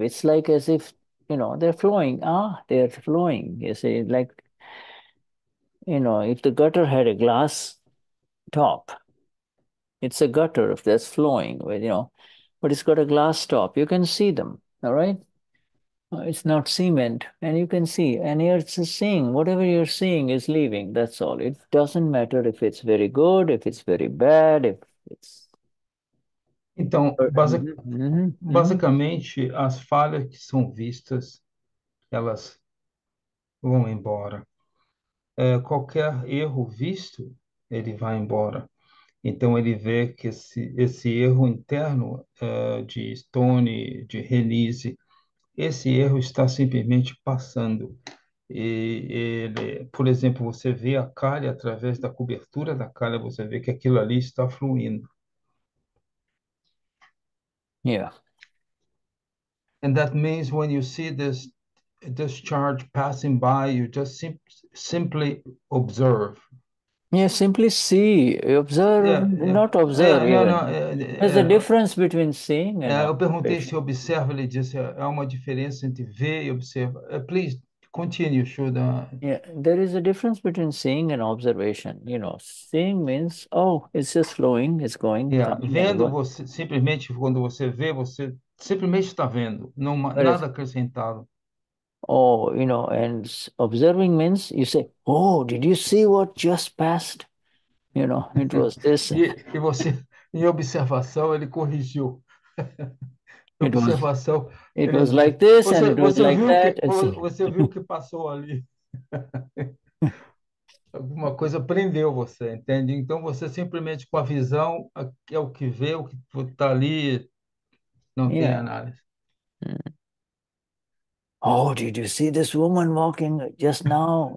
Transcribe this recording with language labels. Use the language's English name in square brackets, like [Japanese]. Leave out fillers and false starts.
[English] It's like as if, you know, they're flowing. Ah, they're flowing, you see, like, you know, if the gutter had a glass top, it's a gutter if that's flowing, you know, but it's got a glass top. You can see them, all right? It's not cement, and you can see, and here it's a seeing. Whatever you're seeing is leaving, that's all. It doesn't matter if it's very good, if it's very bad, if it's... [Portuguese] Então, basicamente, as falhas que são vistas, elas vão embora. É, qualquer erro visto, ele vai embora. Então, ele vê que esse erro interno de Stone, de Renise, esse erro está simplesmente passando. E ele, por exemplo, você vê a calha através da cobertura da calha, você vê que aquilo ali está fluindo. [English] Yeah. And that means when you see this discharge passing by, you just simply observe. Yeah, simply see. Observe, not observe. There's a difference between seeing and [Portuguese] observation. Eu perguntei se observa, ele disse, há uma diferença entre ver e observar. [English] Please continue, Shuddha. Yeah, there is a difference between seeing and observation. You know, seeing means, oh, it's just flowing, it's going. [Portuguese] Yeah, vendo, você, simplesmente, quando você vê, você simplesmente está vendo, não, nada acrescentado. [English] Oh, you know, and observing means you say, oh, did you see what just passed? You know, it was this. [Portuguese] E você, em observação, ele corrigiu. Observação. [English] It was like this, [Portuguese] você, [English] and it was like that. [Portuguese] Você viu o que passou ali. Alguma coisa prendeu você, entende? Então, você simplesmente com a visão, é o que vê, o que está ali, não tem análise. [English] Oh, did you see this woman walking just now?